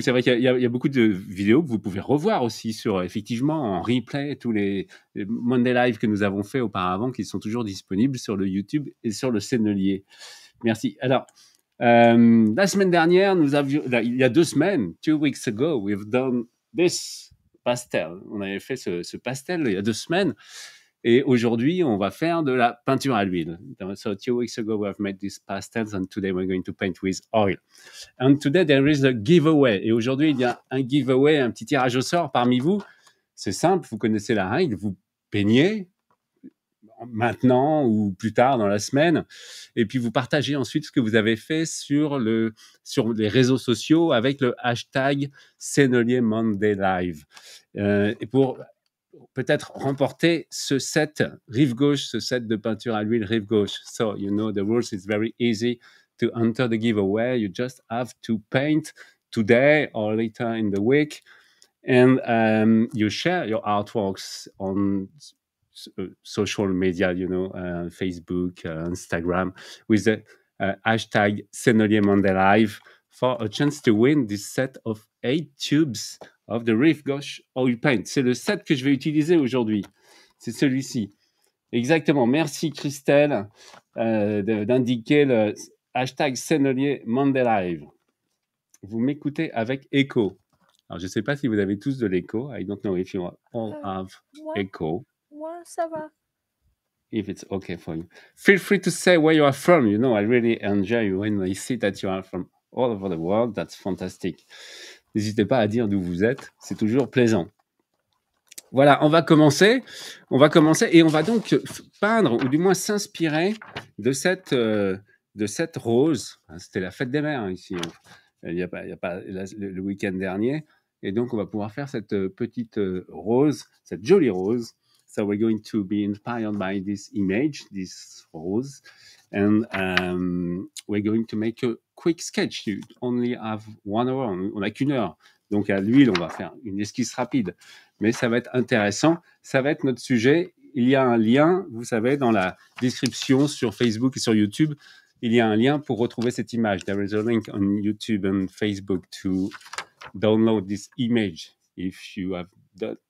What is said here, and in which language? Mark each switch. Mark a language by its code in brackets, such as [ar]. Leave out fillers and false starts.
[fr] C'est vrai qu'il y a beaucoup de vidéos que vous pouvez revoir aussi sur, effectivement, en replay, tous les Monday Live que nous avons fait auparavant, qui sont toujours disponibles sur le YouTube et sur le Sennelier. Merci. Alors, la semaine dernière, il y a 2 semaines, [en] 2 weeks ago, we've done this pastel. [fr] On avait fait ce pastel il y a 2 semaines. Et aujourd'hui, on va faire de la peinture à l'huile. [en] So 2 weeks ago, we have made these pastels and today we're going to paint with oil. And today, there is a giveaway. [fr] Et aujourd'hui, il y a un giveaway, un petit tirage au sort parmi vous. C'est simple, vous connaissez la règle, vous peignez maintenant ou plus tard dans la semaine. Et puis, vous partagez ensuite ce que vous avez fait sur les réseaux sociaux avec le hashtag Sennelier Monday Live. Et pour peut-être remporter ce set Rive Gauche, ce set de peinture à l'huile Rive Gauche. [en] So, you know, the rules is very easy to enter the giveaway. You just have to paint today or later in the week. And you share your artworks on social media, you know, Facebook, Instagram, with the hashtag Sennelier Monday Live for a chance to win this set of 8 tubes of the Rive Gauche oil paint. [fr] C'est le set que je vais utiliser aujourd'hui. C'est celui-ci. Exactement. Merci Christelle d'indiquer le hashtag Sennelier Monday Live. Vous m'écoutez avec écho. Alors, je ne sais pas si vous avez tous de l'écho. [en] I don't know if you all have echo. [fr] Ça va. [en] If it's okay for you. Feel free to say where you are from. You know, I really enjoy you when I see that you are from all over the world. That's fantastic. [fr] N'hésitez pas à dire d'où vous êtes. C'est toujours plaisant. Voilà, on va commencer. On va commencer et on va donc peindre ou du moins s'inspirer de cette rose. C'était la fête des mères ici. Il n'y a pas le week-end dernier. Et donc, on va pouvoir faire cette petite rose, cette jolie rose. [en] So we're going to be inspired by this image, this rose, and we're going to make a quick sketch. You only have 1 hour, [fr] on n'a qu'une heure. Donc à l'huile, on va faire une esquisse rapide. Mais ça va être intéressant, ça va être notre sujet. Il y a un lien, vous savez, dans la description sur Facebook et sur YouTube, il y a un lien pour retrouver cette image. [en] There is a link on YouTube and Facebook to download this image if you have done.